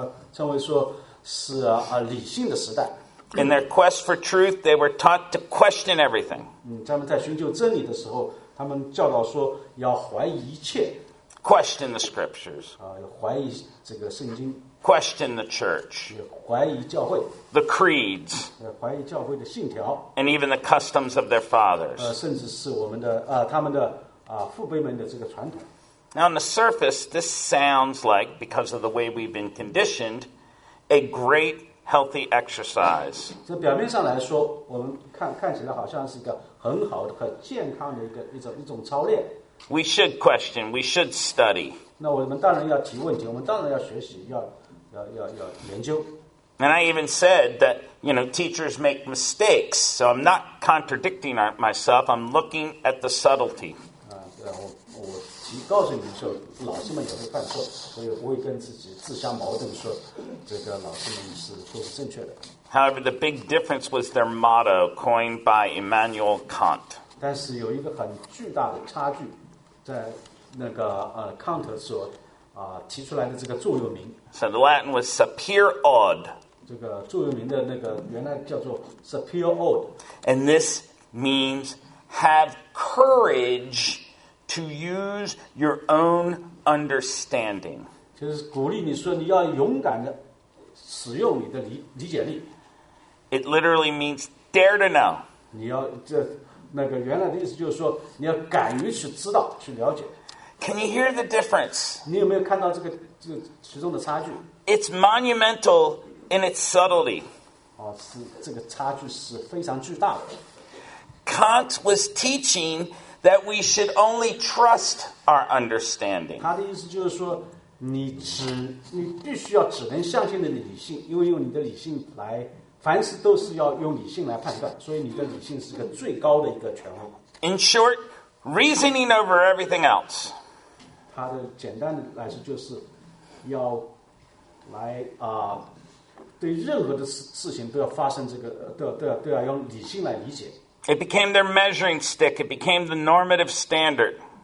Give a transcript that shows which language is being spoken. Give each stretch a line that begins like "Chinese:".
Chinese: 也称为说是理性的时代。
English: In their quest for truth, they were taught to question everything.
Chinese: 他们在寻求真理的时候，他们教导说要怀疑一切。
English: Question the scriptures.
Chinese: 怀疑这个圣经。
English: Question the church.
Chinese: 怀疑教会。
English: The creeds.
Chinese: 怀疑教会的信条。
English: And even the customs of their fathers.
Chinese: 甚至是我们的他们的。父辈们的这个传统。
English: Now on the surface, this sounds like, because of the way we've been conditioned, a great healthy exercise.
Chinese: 这表面上来说，我们看起来好像是一个很好的、很健康的一种操练。
English: We should question, we should study.
Chinese: 那我们当然要提问题，我们当然要学习，要研究。
English: And I even said that, you know, teachers make mistakes, so I'm not contradicting myself, I'm looking at the subtlety.
Chinese: 我告诉你们说，老师们也会犯错，所以不会跟自己自相矛盾说，这个老师们都是正确的。
English: However, the big difference was their motto, coined by Immanuel Kant.
Chinese: 但是有一个很巨大的差距，在那个康德所提出来的这个座右铭。
English: So the Latin was
Latin: "Sapere aude."
Chinese: 这个座右铭的那个原来叫做
Latin: "Sapere aude."
English: And this means have courage. To use your own understanding.
Chinese: 就是鼓励你说你要勇敢的使用你的理解力。
English: It literally means dare to know.
Chinese: 你要这那个原来的意思就是说你要敢于去知道去了解。
English: Can you hear the difference?
Chinese: 你有没有看到这个其中的差距？
English: It's monumental in its subtlety.
Chinese: 是这个差距是非常巨大的。
English: Kant was teaching. That we should only trust our understanding.
Chinese: 他的意思就是说，你必须要只能相信你的理性，因为用你的理性来，凡事都是要用理性来判断，所以你的理性是个最高的一个权威。
English: In short, reasoning over everything else.
Chinese: 他的简单的来说就是，要来对任何的事情都要发生这个，都要用理性来理解。
English: It became their measuring stick. It became the normative standard.